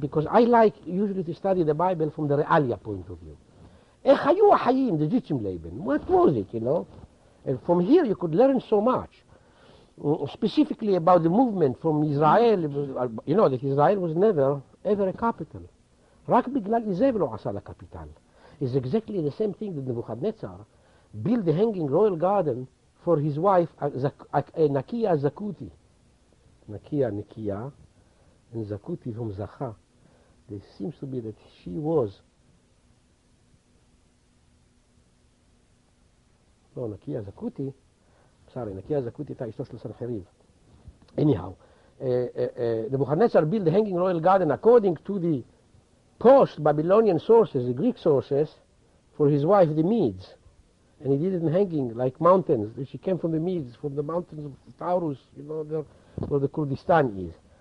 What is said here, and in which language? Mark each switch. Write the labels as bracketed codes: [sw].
[en] Because I like usually to study the Bible from the realia point of view. [he] איך היו החיים, [en] the Jitchim Leben? What was it, you know? And from here you could learn so much, specifically about the movement from Israel, you know, that Israel was never, ever a capital. [he] רק בגלל איזבל הוא עשה לקפיטל. [en] It's exactly the same thing that Nebuchadnezzar built the hanging royal garden for his wife, Nakia Zakuti. Nakia, Nikia, and Zakuti from Zaha. It seems to be that she was [he] לא, נקיה זקותי, סארי, נקיה זקותי הייתה אשתו של סנחריב. [en] Anyhow, Nebuchadnezzar built the hanging royal garden according to the post-Babylonian sources, the Greek sources, for his wife, the Medes. And he did it in hanging, like mountains. She came from the Medes, from the mountains of Taurus, you know, there, where the Kurdistan is.